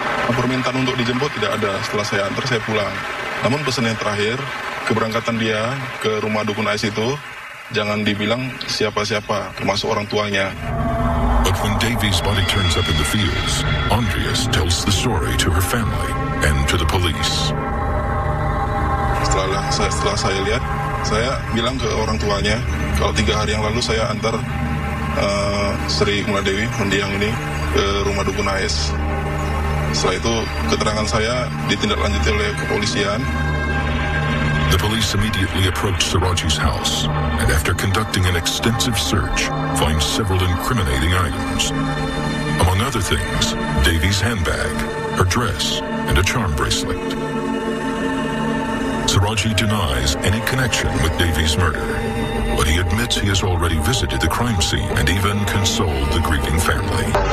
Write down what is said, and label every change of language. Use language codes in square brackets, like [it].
[id] Permintaan untuk dijemput tidak ada setelah saya antar, saya pulang. Namun pesan yang terakhir, keberangkatan dia ke rumah Dukun AS itu, jangan dibilang siapa-siapa, termasuk orang tuanya. [en] But when Davy's body turns up in the fields, Andreas tells the story to her family and to the police. [id] Setelah saya lihat, saya bilang ke orang tuanya, kalau 3 hari yang lalu saya antar Sri Mula Dewi, mendiang ini, ke rumah Dukun AS. Setelah itu, keterangan saya ditindaklanjuti oleh kepolisian. [en] The police immediately approach Suradji's house, and after conducting an extensive search, find several incriminating items. Among other things, Davy's handbag, her dress, and a charm bracelet. Suradji denies any connection with Davy's murder, but he admits he has already visited the crime scene and even consoled the grieving family.